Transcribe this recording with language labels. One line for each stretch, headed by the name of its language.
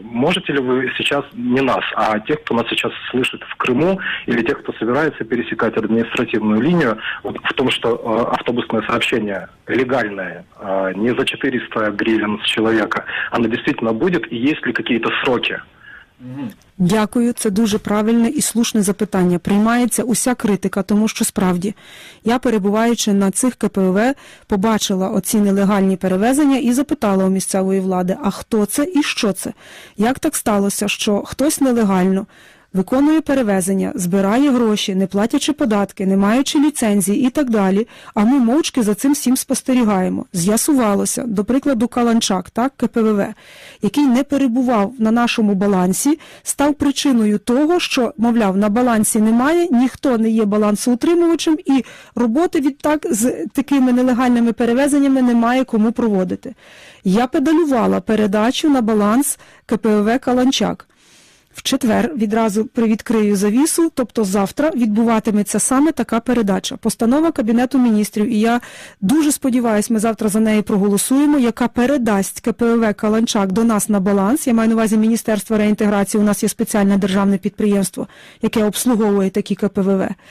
Russian: Можете ли вы сейчас, не нас, а тех, кто нас сейчас слышит в Крыму, или тех, кто собирается пересекать административную линию, вот в том, что автобусное сообщение легальное, не за 400 гривен с человека, она действительно будет, і є ли какие-то сроки?
Ukrainian: Дякую, це дуже правильне і слушне запитання. Приймається уся критика, тому що справді, я перебуваючи на цих КПВВ, побачила оці нелегальні перевезення і запитала у місцевої влади, а хто це і що це? Як так сталося, що хтось нелегально виконує перевезення, збирає гроші, не платячи податки, не маючи ліцензії і так далі, а ми мовчки за цим всім спостерігаємо. З'ясувалося, до прикладу, Каланчак, так, КПВВ, який не перебував на нашому балансі, став причиною того, що, мовляв, на балансі немає, ніхто не є балансоутримувачем і роботи відтак з такими нелегальними перевезеннями немає кому проводити. Я педалювала передачу на баланс КПВВ «Каланчак». В четвер відразу привідкрию завісу, тобто завтра відбуватиметься саме така передача. Постанова Кабінету міністрів, і я дуже сподіваюся, ми завтра за неї проголосуємо, яка передасть КПВВ «Каланчак» до нас на баланс. Я маю на увазі Міністерство реінтеграції, у нас є спеціальне державне підприємство, яке обслуговує такі КПВВ.